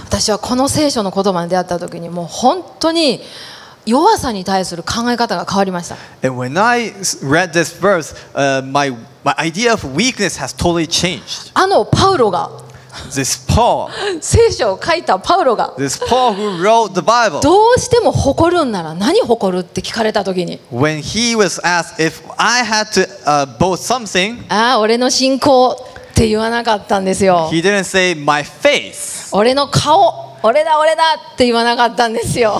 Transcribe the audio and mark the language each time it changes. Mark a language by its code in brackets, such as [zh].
[ja] 私はこの聖書の言葉に出会った時に、もう本当に弱さに対する考え方が変わりました。 [en] And when I read this verse, my idea of weakness has totally changed. [ja] あのパウロが。 [en] This Paul. [ja] 聖書を書いたパウロが。 [en] This Paul who wrote the Bible. [ja] どうしても誇るんなら何誇るって聞かれた時に。 [en] When he was asked if I had to boast something. [ja] ああ、俺の信仰って言わなかったんですよ。 [en] He didn't say my faith. [ja] 俺の顔、俺だ俺だって言わなかったんですよ。